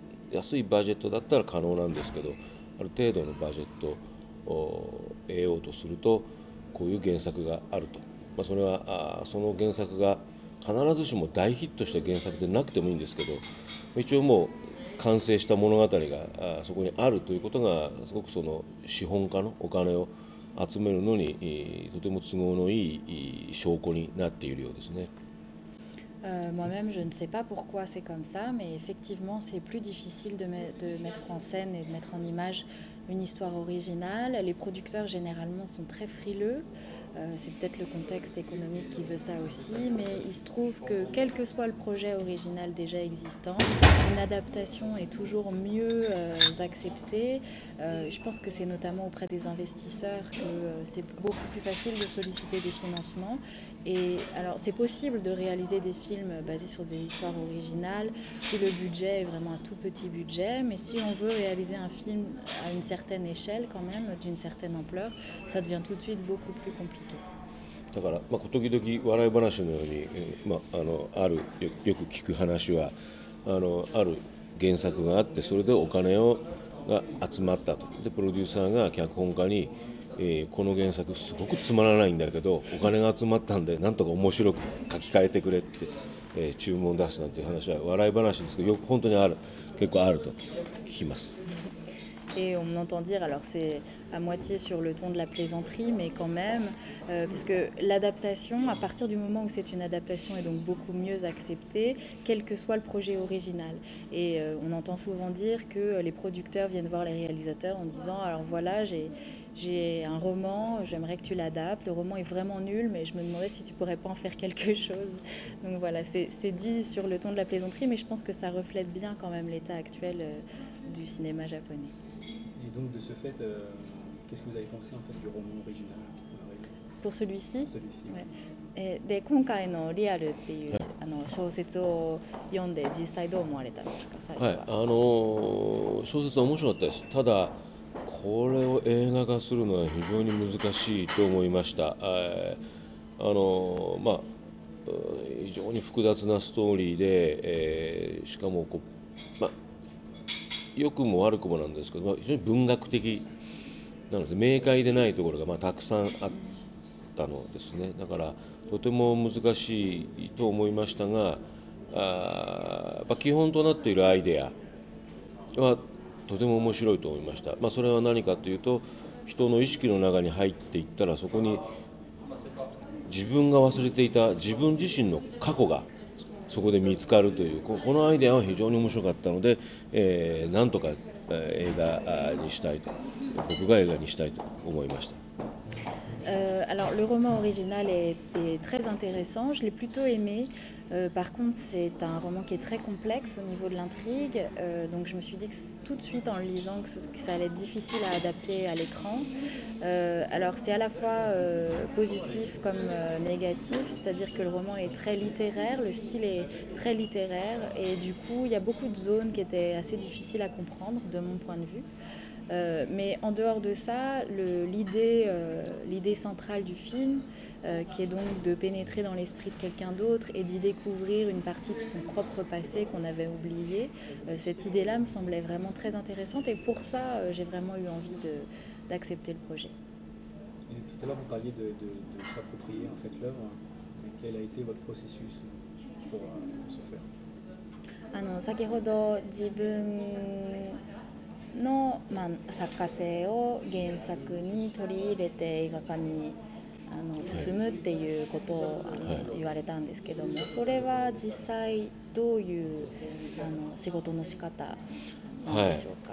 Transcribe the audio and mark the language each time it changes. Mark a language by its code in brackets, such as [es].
[ja] 安いバジェットだったら可能なんですけど、ある程度のバジェットを得ようとするとこういう原作があると、まあ、それはその原作が必ずしも大ヒットした原作でなくてもいいんですけど、一応もう完成した物語がそこにあるということが、すごくその資本家のお金を集めるのにとても都合のいい証拠になっているようですね。 [fr] Moi-même, je ne sais pas pourquoi c'est comme ça, mais effectivement, c'est plus difficile de mettre en scène et de mettre en image une histoire originale. Les producteurs, généralement, sont très frileux. C'est peut-être le contexte économique qui veut ça aussi, mais il se trouve que, quel que soit le projet original déjà existant, une adaptation est toujours mieux acceptée. Je pense que c'est notamment auprès des investisseurs que c'est beaucoup plus facile de solliciter des financements. Et alors, c'est possible de réaliser des films basés sur des histoires originales si le budget est vraiment un tout petit budget, mais si on veut réaliser un film à une certaine échelle quand même, d'une certaine ampleur, ça devient tout de suite beaucoup plus compliqué. [ja] だから、まあ、時々笑い話のように、まあ、あるよく聞く話は、ある原作があって、それでお金をが集まったと。でプロデューサーが脚本家に、この原作すごくつまらないんだけど、お金が集まったんでなんとか面白く書き換えてくれって、注文を出すなんていう話は笑い話ですけど、よく本当にある、結構あると聞きます。 [fr] Et on entend dire, alors c'est à moitié sur le ton de la plaisanterie, mais quand même, parce que l'adaptation, à partir du moment où c'est une adaptation, est donc beaucoup mieux acceptée, quel que soit le projet original. Et on entend souvent dire que les producteurs viennent voir les réalisateurs en disant, alors voilà, j'ai un roman, j'aimerais que tu l'adaptes, le roman est vraiment nul, mais je me demandais si tu pourrais pas en faire quelque chose. Donc voilà, c'est dit sur le ton de la plaisanterie, mais je pense que ça reflète bien quand même l'état actuel du cinéma japonais. Et donc de ce fait, qu'est-ce que vous avez pensé en fait du roman original ? Pour celui-ci ? Ouais. [ja] で、今回のリアルっていう、はい、あの小説を読んで実際どう思われたんですか、最初は。はい、小説は面白かったです。ただこれを映画化するのは非常に難しいと思いました。非常に複雑なストーリーで、しかもこう、まあ良くも悪くもなんですけど、非常に文学的なので明快でないところがまあたくさんあったのですね。だからとても難しいと思いましたが、基本となっているアイデアはとても面白いと思いました。まあそれは何かというと、人の意識の中に入っていったらそこに自分が忘れていた自分自身の過去がそこで見つかるという、このアイデアは非常に面白かったので、なんとか映画にしたいと、僕が映画にしたいと思いました。 [fr] Alors, le roman original est très intéressant. Je l'ai plutôt aimé. Par contre, c'est un roman qui est très complexe au niveau de l'intrigue. Donc, je me suis dit que, tout de suite en le lisant que ça allait être difficile à adapter à l'écran. Alors, c'est à la fois positif comme négatif. C'est-à-dire que le roman est très littéraire. Le style est très littéraire. Et du coup, il y a beaucoup de zones qui étaient assez difficiles à comprendre de mon point de vue. Mais en dehors de ça, l'idée centrale du film, qui est donc de pénétrer dans l'esprit de quelqu'un d'autre et d'y découvrir une partie de son propre passé qu'on avait oublié, cette idée-là me semblait vraiment très intéressante et pour ça, j'ai vraiment eu envie d'accepter le projet. Et tout à l'heure, vous parliez de s'approprier en fait l'œuvre. Quel a été votre processus pour ce faire ? Ah non, [ja] 先ほど自分の、まあ、作家性を原作に取り入れて映画化に進むっていうことを、はい、言われたんですけども、それは実際どういう仕事の仕方なんでしょうか。